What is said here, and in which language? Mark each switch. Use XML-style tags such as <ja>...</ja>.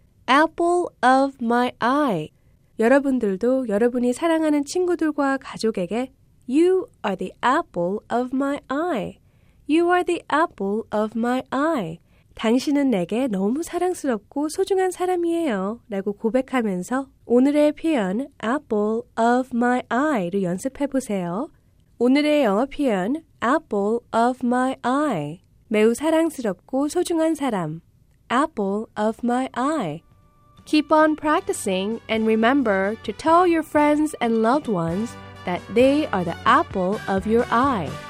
<en>Apple of my eye.</en> <ko>여러분들도 여러분이 사랑하는 친구들과 가족에게</ko> <en>You are the apple of my eye. You are the apple of my eye.</en> <ko>당신은 내게 너무 사랑스럽고 소중한 사람이에요 라고 고백하면서 오늘의 표현 apple of my eye를 연습해 보세요. 오늘의 영어 표현 apple of my eye 매우 사랑스럽고 소중한 사람 apple of my eye.</ko> <en>Keep on practicing and remember to tell your friends and loved ones that they are the apple of your eye.</en>